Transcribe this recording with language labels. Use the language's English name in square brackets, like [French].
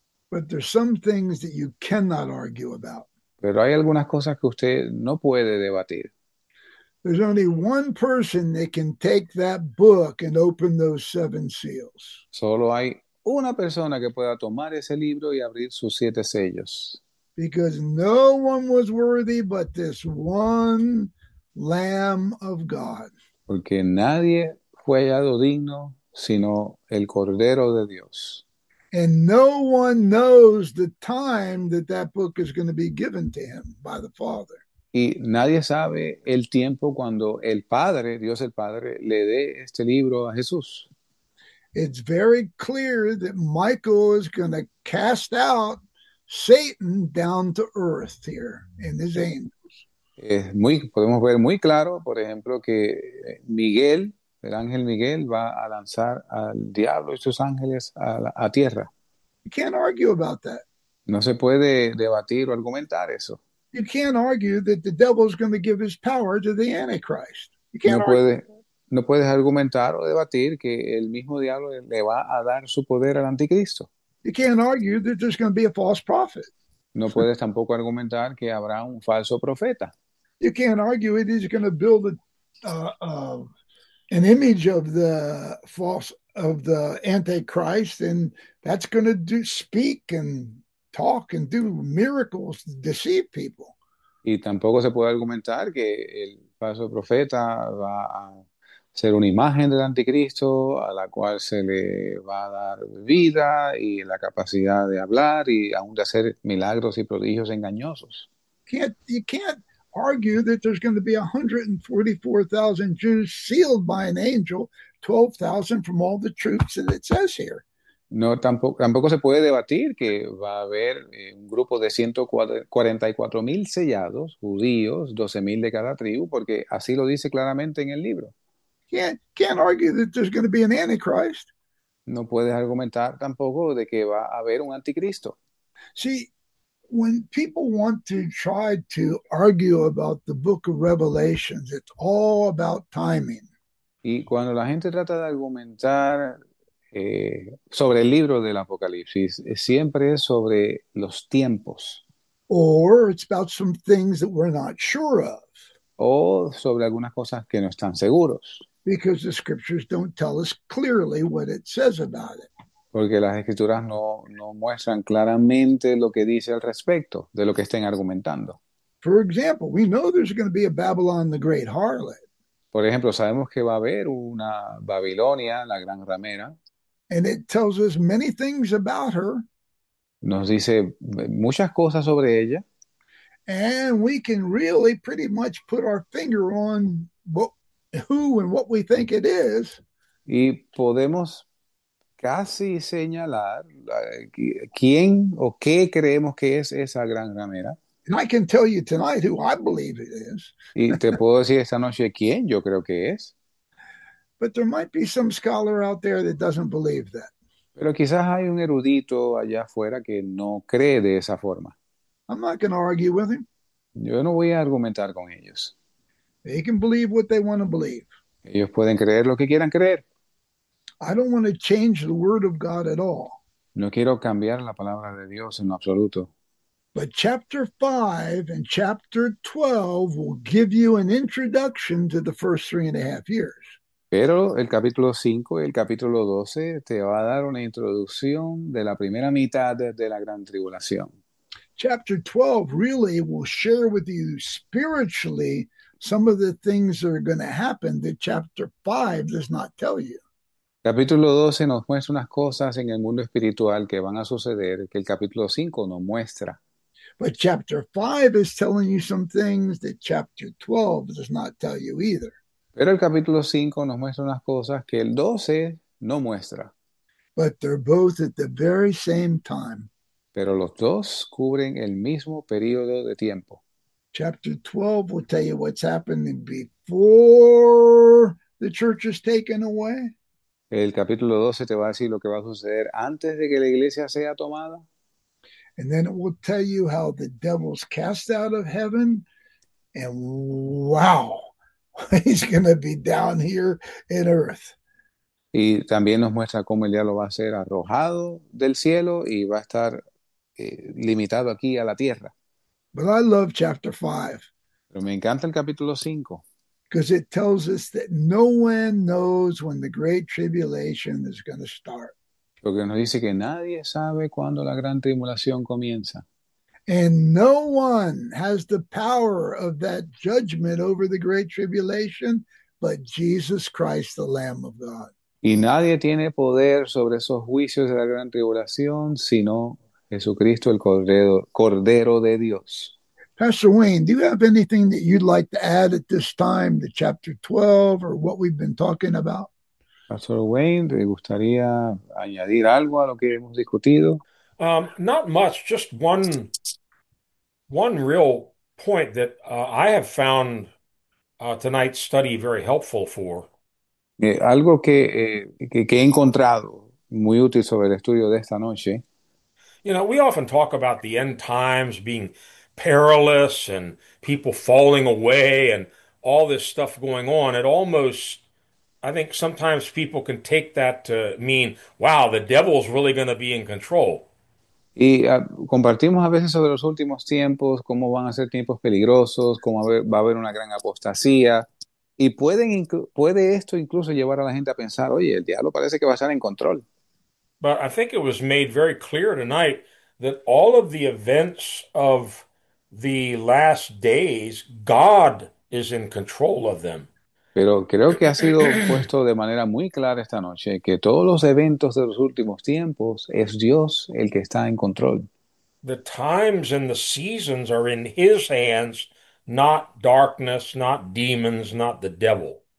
[English] But there's some things that you cannot argue about. [Spanish] Pero hay algunas cosas que usted no puede debatir. [English] There's only one person that can take that book and open those seven seals. [Spanish] Solo hay una persona que pueda tomar ese libro y abrir sus siete sellos. [English] Because no one was worthy but this one Lamb of God. [Spanish] Porque nadie fue hallado digno sino el Cordero de Dios. [English] And no one knows the time that that book is going to be given to him by the Father. [Spanish] Y nadie sabe el tiempo cuando el Padre, Dios el Padre, le dé este libro a Jesús. [English] It's very clear that Michael is going to cast out Satan down to earth here in his angels. [Spanish] Podemos ver muy claro, por ejemplo, que Miguel, el ángel Miguel, va a lanzar al diablo y sus ángeles a tierra. [English] You can't argue about that. [Spanish] No se puede debatir o argumentar eso. [English] You can't argue that the devil is going to give his power to the Antichrist. You can't [Spanish] No [English] argue. [Spanish] puedes argumentar o debatir que el mismo diablo le va a dar su poder al anticristo. [English] You can't argue that there's going to be a false prophet. [Spanish] No puedes tampoco argumentar que habrá un falso profeta. [English] You can't argue that he's going to build an image of the Antichrist, and that's going to do speak and talk and do miracles to deceive people. [Spanish] Y tampoco se puede argumentar que el falso profeta va a ser una imagen del anticristo a la cual se le va a dar vida y la capacidad de hablar y aún de hacer milagros y prodigios engañosos. [English] You can't argue that there's going to be 144,000 Jews sealed by an angel, 12,000 from all the troops that it says here. [Spanish] No, tampoco se puede debatir que va a haber un grupo de 144 mil sellados, judíos, 12 mil de cada tribu, porque así lo dice claramente en el libro. [English] Can't argue that there's going to be an Antichrist. [Spanish] No puedes argumentar tampoco de que va a haber un anticristo. [English] See, when people want to try to argue about the book of Revelations, it's all about timing. [Spanish] Y cuando la gente trata de argumentar sobre el libro del Apocalipsis, siempre es sobre los tiempos. [English] Or it's about some things that we're not sure of. [Spanish] O sobre algunas cosas que no están seguros. [English] Because the scriptures don't tell us clearly what it says about it. [Spanish] Porque las escrituras no muestran claramente lo que dice al respecto de lo que estén argumentando. [English] For example, we know there's going to be a Babylon the Great Harlot. [Spanish] Por ejemplo, sabemos que va a haber una Babilonia, la gran ramera. [English] And it tells us many things about her. [Spanish] Nos dice muchas cosas sobre ella. [English] And we can really pretty much put our finger on what, who and what we think it is. [Spanish] Y podemos casi señalar quién o qué creemos que es esa gran ramera. [English] And I can tell you tonight who I believe it is. [Spanish] Y te puedo decir esta noche quién yo creo que es. [English] But there might be some scholar out there that doesn't believe that. [Spanish] Pero quizás hay un erudito allá afuera que no cree de esa forma. [English] I'm not going to argue with him. [Spanish] Yo no voy a argumentar con ellos. [English] They can believe what they want to believe. [Spanish] Ellos pueden creer lo que quieran creer. [English] I don't want to change the word of God at all. [Spanish] No quiero cambiar la palabra de Dios en absoluto. [English] But chapter 5 and chapter 12 will give you an introduction to the first 3.5 years. [Spanish] Pero el capítulo 5 y el capítulo 12 te va a dar una introducción de la primera mitad de la gran tribulación. [English] Chapter 12 really will share with you spiritually some of the things that are going to happen that chapter 5 does not tell you. [Spanish] Capítulo 12 nos muestra unas cosas en el mundo espiritual que van a suceder que el capítulo 5 no muestra. [English] But chapter 5 is telling you some things that chapter 12 does not tell you either. [Spanish] Pero el capítulo 5 nos muestra unas cosas que el 12 no muestra. [English] But they're both at the very same time. [Spanish] Pero los dos cubren el mismo periodo de tiempo. [English] Chapter 12 will tell you what's happening before the church is taken away. [Spanish] El capítulo 12 te va a decir lo que va a suceder antes de que la iglesia sea tomada. [English] And then it will tell you how the devil's cast out of heaven. And wow, he's going to be down here in earth. [Spanish] Y también nos muestra cómo el diablo va a ser arrojado del cielo y va a estar limitado aquí a la tierra. [English] But I love chapter 5 [Spanish] Pero me encanta el capítulo 5. [English] because it tells us that no one knows when the great tribulation is going to start. [Spanish] Porque nos dice que nadie sabe cuándo la gran tribulación comienza. [English] And no one has the power of that judgment over the great tribulation but Jesus Christ, the Lamb of God. [Spanish] Y nadie tiene poder sobre esos juicios de la gran tribulación sino Jesucristo, el Cordero de Dios. [English] Pastor Wayne, do you have anything that you'd like to add at this time to chapter 12 or what we've been talking about? [Spanish] Pastor Wayne, ¿te gustaría añadir algo a lo que hemos discutido? [English] Not much, just one real point that I have found tonight's study very helpful for. [Spanish] Algo que he encontrado muy útil sobre el estudio de esta noche. [English] You know, we often talk about the end times being perilous and people falling away and all this stuff going on. It almost, I think sometimes people can take that to mean, wow, the devil's really going to be in control. [Spanish] Y compartimos a veces sobre los últimos tiempos, cómo van a ser tiempos peligrosos, cómo va a haber una gran apostasía. Y puede esto incluso llevar a la gente a pensar, oye, el diablo parece que va a estar en control. [English] But I think it was made very clear tonight that all of the events of the last days, God is in control of them. [Spanish] Pero creo que ha sido puesto de manera muy clara esta noche que todos los eventos de los últimos tiempos es Dios el que está en control. [English] The times and the seasons are in his hands, not darkness, not demons, not the devil.